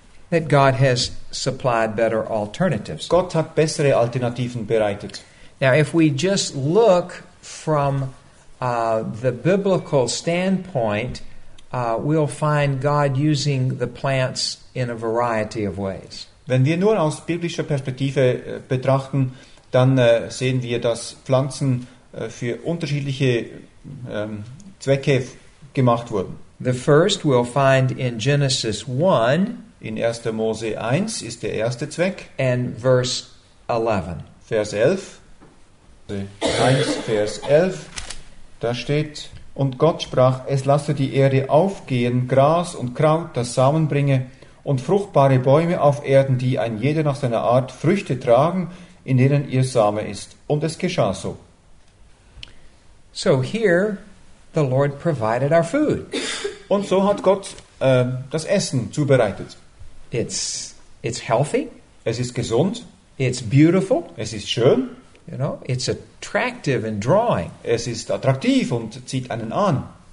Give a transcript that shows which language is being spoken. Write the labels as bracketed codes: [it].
[en] That God has supplied better alternatives. [de] Gott hat bessere Alternativen bereitet. [en] Now, if we just look from the biblical standpoint, we'll find God using the plants in a variety of ways. [de] Wenn wir nur aus biblischer Perspektive betrachten, dann sehen wir, dass Pflanzen für unterschiedliche Zwecke gemacht wurden. [en] The first we'll find in Genesis 1, [de] in 1. Mose 1 ist der erste Zweck, [en] and verse 11. [de] Vers 11. 1, Vers 11. Da steht: Und Gott sprach: Es lasse die Erde aufgehen, Gras und Kraut, das Samen bringe, und fruchtbare Bäume auf Erden, die ein jeder nach seiner Art Früchte tragen, in denen ihr Same ist. Und es geschah so. [en] So here, the Lord provided our food. [de] Und so hat Gott das Essen zubereitet. [en] It's healthy. [de] Es ist gesund. [en] It's beautiful. [de] Es ist schön. [en] You know, it's attractive and drawing. [de] Es ist attraktiv und zieht einen an.